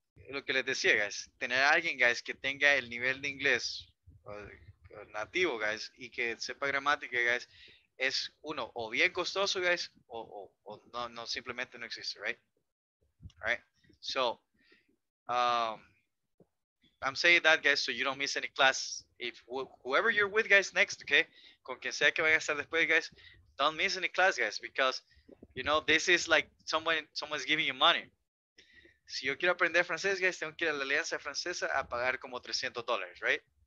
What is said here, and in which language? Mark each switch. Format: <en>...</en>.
<es>Lo que les decía, guys, tener alguien, guys, que tenga el nivel de inglés, nativo, guys, y que sepa gramática, guys, es uno o bien costoso, guys, o no, simplemente no existe, right?</es> <en>All right, so I'm saying that, guys, so you don't miss any class. If whoever you're with, guys, next, okay?</en> <es>Con quien sea que vaya a estar después,</es> <en>guys, don't miss any class, guys, because, you know, this is like someone's giving you money.</en> <es>Si yo quiero aprender francés, guys, tengo que ir a la Alianza Francesa a pagar como $300, right?</es>